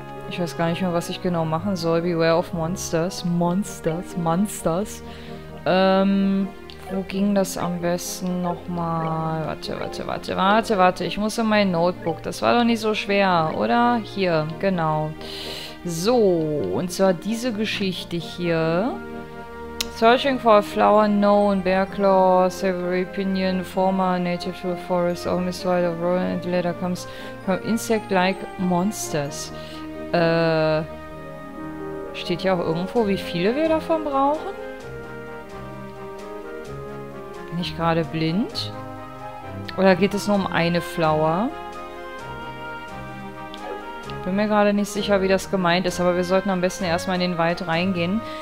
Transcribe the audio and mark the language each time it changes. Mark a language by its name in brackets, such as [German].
[German] Ich weiß gar nicht mehr, was ich genau machen soll. [English] Beware of Monsters. Monsters, Monsters. [German] Wo ging das am besten nochmal? Warte. Ich muss in mein Notebook. Das war doch nicht so schwer, oder? Hier, genau. So, und zwar diese Geschichte hier. [English] Searching for a flower known, Bearclaw, Savory Pinion, former native to the forest, or Mist Wild of Roland, and the letter comes from insect-like monsters. [German] Steht hier auch irgendwo, wie viele wir davon brauchen? Bin ich gerade blind? Oder geht es nur um eine Flower? Bin mir gerade nicht sicher, wie das gemeint ist, aber wir sollten am besten erstmal in den Wald reingehen.